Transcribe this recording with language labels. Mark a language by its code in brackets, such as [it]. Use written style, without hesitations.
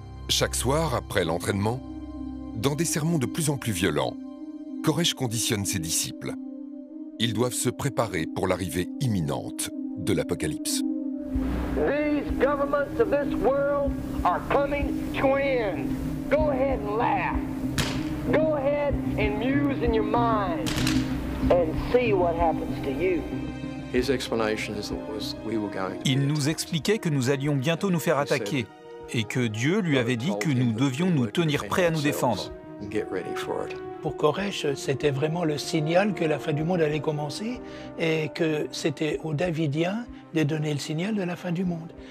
[fr] Chaque soir, après l'entraînement, dans des sermons de plus en plus violents, Koresh conditionne ses disciples. Ils doivent se préparer pour l'arrivée imminente de l'apocalypse. [en] These governments of this world are coming to end. Go ahead and laugh. Go ahead and muse in your mind and see what happens to you. His explanation is that we were going. [fr] Il nous expliquait que nous allions bientôt nous faire attaquer et que Dieu lui avait dit que nous devions nous tenir prêts à nous défendre. [en] Get ready for it. [fr] Pour Koresh, c'était vraiment le signal que la fin du monde allait commencer et que c'était aux Davidiens de donner le signal de la fin du monde.